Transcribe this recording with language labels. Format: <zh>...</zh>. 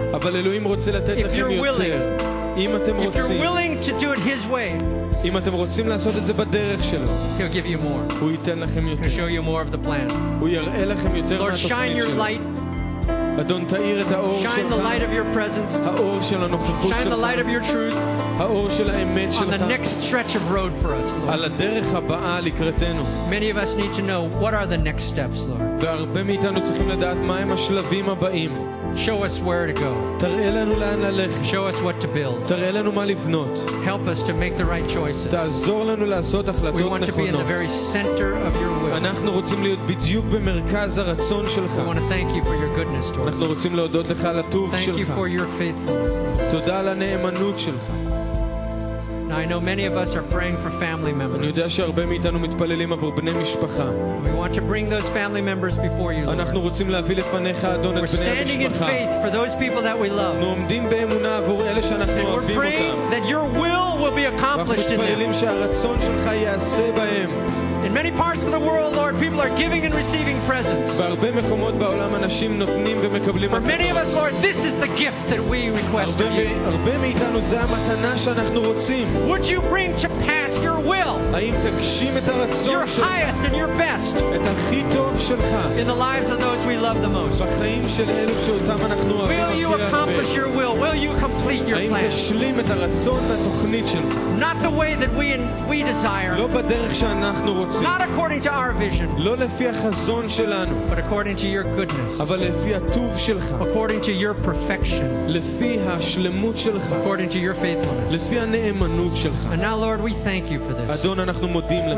<en>If you're willing to do it his way, he'll give you more. He'll show you more of the plan. Lord, shine your light</en> <he>אדון, תאיר את האור שלך.</he> <en>Shine the light of your presence.</en> <he>האור של הנוכחות שלך.</he> <en>Shine the light of your truth.</en> <he>האור של האמת שלך.</he> <en>On the next stretch of road for us, Lord.</en> <he>על הדרך הבאה לקראתנו.</he> <en>Many of us need to know what are the next steps, Lord.</en> <he>והרבה מאיתנו צריכים לדעת מהם השלבים הבאים.</he> <en>Show us where to go.</en> <he>תראה לנו לאן ללכת.</he> <en>Show us what to build.</en> <he>תראה לנו מה לבנות.</he> <en>Help us to make the right choices.</en> <he>תעזור לנו לעשות החלטות נכונות.</he> <en>We want to be in the very center of your will.</en> <he>אנחנו רוצים להיות בדיוק במרכז הרצון שלך.</he> <en>We want to thank you for your goodness towards us.</en> <he>אנחנו רוצים להודות לך על הטוב שלך.</he> <en>Thank you for your faithfulness.</en> <he>תודה על הנאמנות שלך.</he> <en>I know many of us are praying for family members.</en> <he>אני יודע שהרבה מאיתנו מתפללים עבור בני משפחה.</he> <en>We want to bring those family members before you, Lord.</en> <he>אנחנו רוצים להביא לפניך, אדון, את בני המשפחה.</he> <en>We're standing in faith for those people that we love.</en> <he>אנחנו עומדים באמונה עבור אלה שאנחנו אוהבים אותם.</he> <en>We're praying that your will be accomplished in them.</en> <he>אנחנו מתפללים שהרצון שלך ייעשה בהם.</he> <en>In many parts of the world, Lord, people are giving and receiving presents.</en> <he>בהרבה מקומות בעולם אנשים נותנים ומקבלים.</he> <en>For many of us, Lord, this is the gift that we request of you.</en> <he>הרבה מאיתנו זה המתנה שאנחנו רוצים.</he> <en>Would you bring to pass your will?</en> <he>האם תגשים את הרצון שלך?</he> <en>Your highest and your best.</en> <he>את הכי טוב שלך.</he> <en>In the lives of those we love the most.</en> <he>בחיים של אלו שאותם אנחנו אוהבים.</he> <en>Will you accomplish your will? Will you complete your plan?</en> <he>האם תשלים את הרצון והתוכנית שלך?</he> <en>Not the way that we desire.</en> <he>לא בדרך שאנחנו רוצים.</he> <en>Not according to our vision.</en> <he>לא לפי החזון שלנו.</he> <en>But according to your goodness.</en> <he>אבל לפי הטוב שלך.</he> <en>According to your perfection.</en> <he>לפי השלמות שלך.</he> <en>According to your faithfulness.</en> <he>לפי הנאמנות שלך.</he> <en>And now, Lord, we thank you for this.</en> <he>אדון, אנחנו מודים לך.</he>